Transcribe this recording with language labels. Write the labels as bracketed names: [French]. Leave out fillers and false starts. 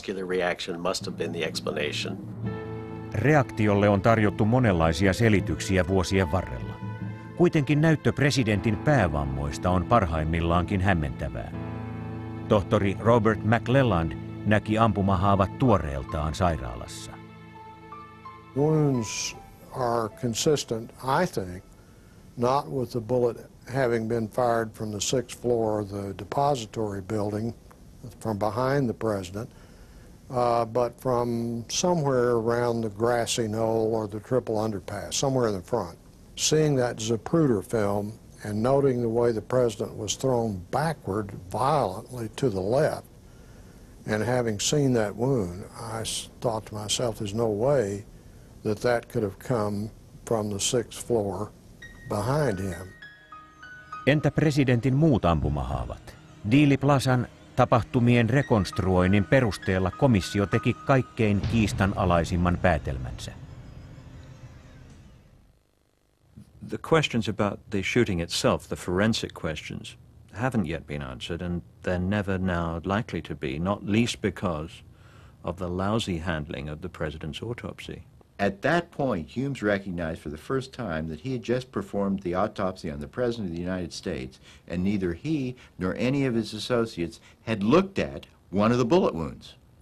[English] I think I asked some questions and I can't remember, but I know everybody was a little bit puzzled, but everybody finally figured that the muscular reaction must have been the explanation. [Finnish] Reaktiolle on tarjottu monenlaisia selityksiä vuosien varrella. Kuitenkin näyttö presidentin päävammoista on parhaimmillaankin hämmentävää. Tohtori Robert McClelland näki ampumahaavat tuoreeltaan sairaalassa. [English] Wounds are consistent, I think, not with the bullet having been fired from the sixth floor of the depository building from behind the president, but from somewhere around the grassy knoll or the triple underpass, somewhere in the front. Seeing that Zapruder film and noting the way the president was thrown backward violently to the left, and having seen that wound, I thought to myself, there's no way that that could have come from the sixth floor behind him. [Finnish] Entä presidentin muut ampumahaavat? Dealey Plazan tapahtumien rekonstruoinnin perusteella komissio teki kaikkein kiistanalaisimman päätelmänsä. [English] The questions about the shooting itself, the forensic questions, haven't yet been answered, and they're never now likely to be, not least because of the lousy handling of the president's autopsy. At that point, Humes recognized for the first time that he had just performed the autopsy on the President of the United States, and neither he nor any of his associates had looked at one of the bullet wounds.